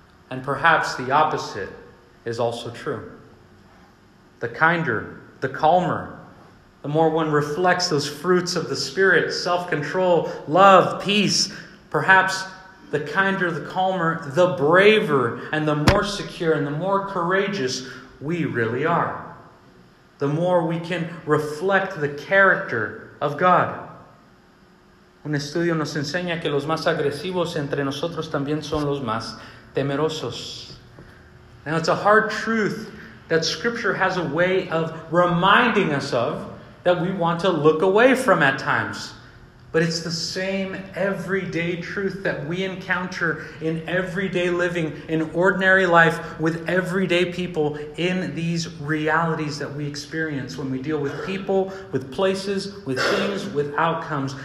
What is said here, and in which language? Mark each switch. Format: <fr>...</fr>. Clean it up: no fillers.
<en>And perhaps the opposite is also true. The kinder, the calmer, the more one reflects those fruits of the Spirit, self-control, love, peace, perhaps the kinder, the calmer, the braver, and the more secure, and the more courageous we really are. The more we can reflect the character of God.</en> <es>Un estudio nos enseña que los más agresivos entre nosotros también son los más temerosos.</es> <en>Now it's a hard truth that Scripture has a way of reminding us of, that we want to look away from at times. But it's the same everyday truth that we encounter in everyday living, in ordinary life, with everyday people, in these realities that we experience when we deal with people, with places, with things, with outcomes.</en>